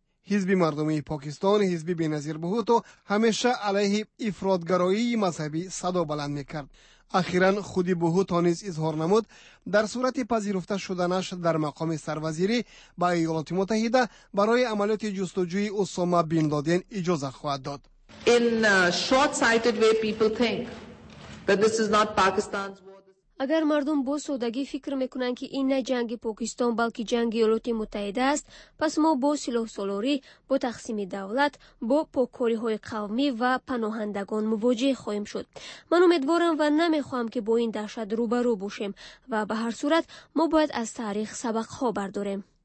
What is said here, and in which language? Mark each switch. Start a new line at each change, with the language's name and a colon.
Persian: حزب مردمی پاکستان، حزب بنظیر بوتو، همیشه علیه افرادگرایی مذهبی صدا بلند می‌کرد. اخیراً خودی بوتو نیز اظهار نمود در صورت پذیرفته شدنش در مقام سروزیری با ایالات متحده برای عملیات جستجوی اسامه بن لادن اجازه خواهد داد.
English: In a short-sighted way, people think that this is not Pakistan's war.
Persian: اگر مردم با سادگی فکر میکنند که این نه جنگ پاکستان بلکه جنگ ایالات متحده است، پس ما با سلاح سالاری، با تقسیم دولت، با پاکاری های قومی و پناهندگان مواجه خواهیم شد. من امیدوارم و نمیخواهم که با این دهشت روبرو باشیم و به هر صورت ما باید از تاریخ سبق ها برداریم.